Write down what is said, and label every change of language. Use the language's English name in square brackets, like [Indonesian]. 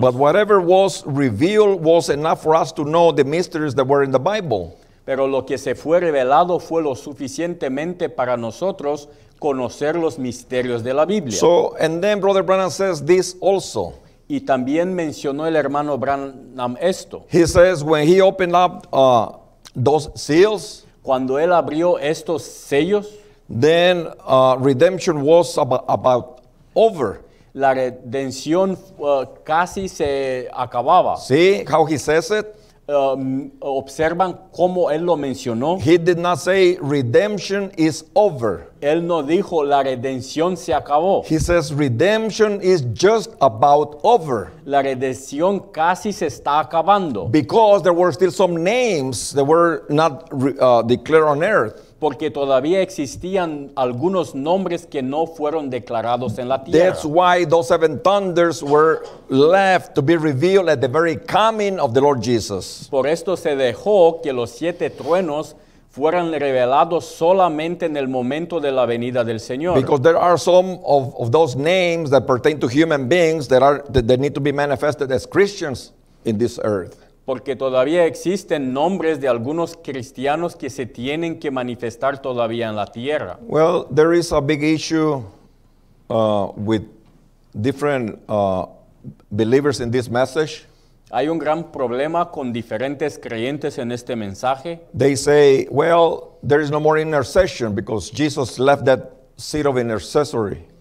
[English] But whatever was revealed was enough for us to know the mysteries that were in the Bible. [Spanish] Pero lo que se fue revelado fue lo suficientemente para nosotros conocer los misterios de la Biblia. [English] So, and then Brother Branham says this also. [Spanish] Y también mencionó el hermano Branham esto. [English] He says when he opened up those seals, [Spanish] cuando él abrió estos sellos, [English] then redemption was about over. [Spanish] La redención casi se acababa. [English] See how he says it? [Spanish] Observan cómo él lo mencionó. [English] He did not say redemption is over. [Spanish] Él no dijo la redención se acabó. [English] He says redemption is just about over. [Spanish] La redención casi se está acabando. [English] Because there were still some names that were not declared on earth. [Spanish] Porque todavía existían algunos nombres que no fueron declarados en la tierra. [English] That's why those seven thunders were left to be revealed at the very coming of the Lord Jesus. [Spanish] Por esto se dejó que los siete truenos fueran revelados solamente en el momento de la venida del Señor. [English] Because there are some of those names that pertain to human beings that need to be manifested as Christians in this earth. [Spanish] Porque todavía existen nombres de algunos cristianos que se tienen que manifestar todavía en la tierra. [English] Well, there is a big issue with different believers in this message. [Spanish] Hay un gran problema con diferentes creyentes en este mensaje. [English] They say, well, there is no more intercession because Jesus left that seat of intercessory.